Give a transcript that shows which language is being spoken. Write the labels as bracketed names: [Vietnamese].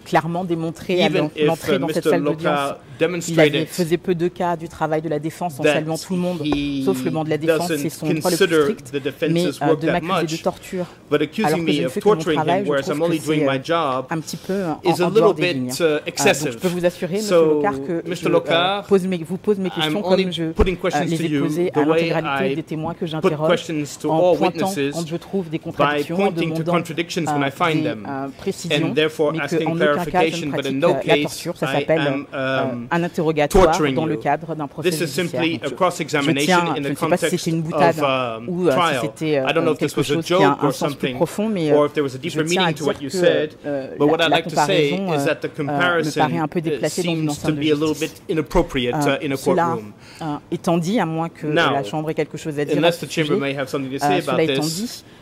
[French] Clairement démontré à l'entrée dans cette salle d'audience, il faisait peu de cas du travail de la défense en saluant tout le monde, sauf le banc de la défense, c'est son droit le plus strict, mais de m'accuser de torture, alors que je ne fais que mon travail, je trouve que c'est un petit peu en dehors des lignes. Donc je peux vous assurer, M. Locard, que je vous pose mes questions comme je les ai posées à l'intégralité des témoins que j'interroge, en pointant quand je trouve des contradictions, [English] pointing to contradictions when I find them, and therefore asking clarification, but in no case I am torturing you. This is simply a cross-examination in the context of a trial. I don't know if this was a joke or something, or if there was a deeper meaning to what you said, but what I'd like to say is that the comparison seems to be a little bit inappropriate in a courtroom. [French] Étant dit, à moins que la Chambre ait quelque chose à dire, [English] unless the Chamber may have something to say about this,